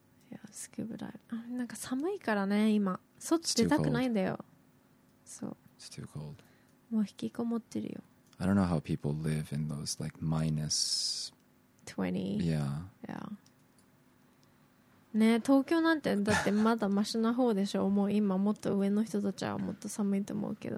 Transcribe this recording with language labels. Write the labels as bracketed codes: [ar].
[ja] いや、スキューバダイブ。なんか寒いからね、今。外出たくないんだよ。そう。 [en] It's too cold. [ja] もう引きこもってるよ。 [en] I don't know how people live in those like minus 20. Yeah. Yeah. [ja] ね、東京なんてだってまだマシな方でしょ。もう今もっと上の人たちはもっと寒いと思うけど。